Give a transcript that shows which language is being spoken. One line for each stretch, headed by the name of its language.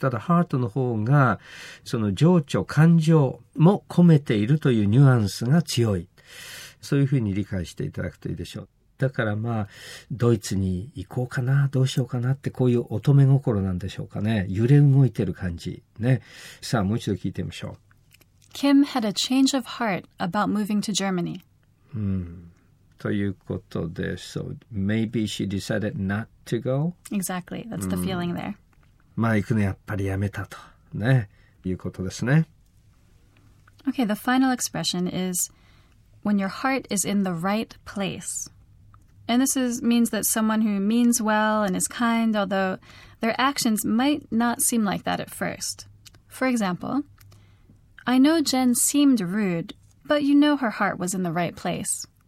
Japanese: ただ、ハートの方が、その情緒、感情も込めているというニュアンスが強い。そういうふうに理解していただくといいでしょう。だから、まあ、ドイツに行こうかな、どうしようかなって、こういう乙女心なんでしょうかね。揺れ動いてる感じ。ね。さあ、もう一度聞いてみましょう。
English: Kim had a change of heart about moving to Germany.
Japanese: ということで、
English: so maybe she decided not to go? Exactly, that's the feeling there.
Japanese: まあ行くのやっぱりやめたと、ね、いうことですね。
English: Okay, the final expression is when your heart is in the right place. And this is, means that someone who means well and is kind, although their actions might not seem like that at first. For example, I know Jen seemed rude, but you know her heart was in the right place.